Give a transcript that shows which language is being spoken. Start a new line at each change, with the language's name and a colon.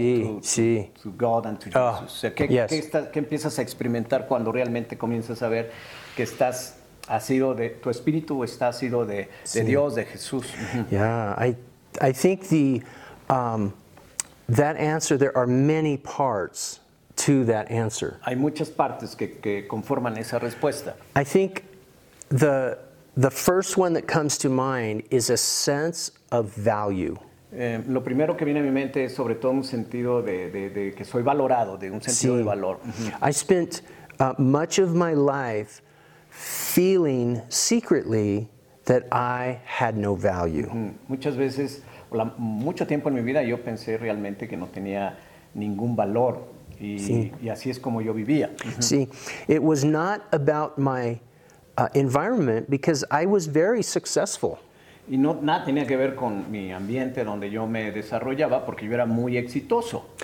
Spanish: sí,
English: to,
Spanish: sí.
English: to God and to oh, Jesus. So, ¿qué, yes.
Spanish: ¿Qué empiezas a experimentar cuando realmente comienzas a ver que estás ha sido de tu espíritu o está sido de, sí. de Dios, de Jesús?
English: Yeah, I think the that answer, there are many parts to that answer.
Spanish: Hay muchas partes que conforman esa respuesta.
English: I think the first one that comes to mind is a sense of value.
Spanish: Lo primero que viene a mi mente es sobre todo un sentido de que soy valorado, de un sentido sí. de valor. Uh-huh.
English: I spent much of my life feeling secretly that I had no value. Uh-huh.
Spanish: Muchas veces, mucho tiempo en mi vida yo pensé realmente que no tenía ningún valor. Y así es como yo vivía. Uh-huh.
English: See, it was not about my environment because I was very successful.
Spanish: Y no nada tenía que ver con mi ambiente donde yo me desarrollaba porque yo era muy exitoso.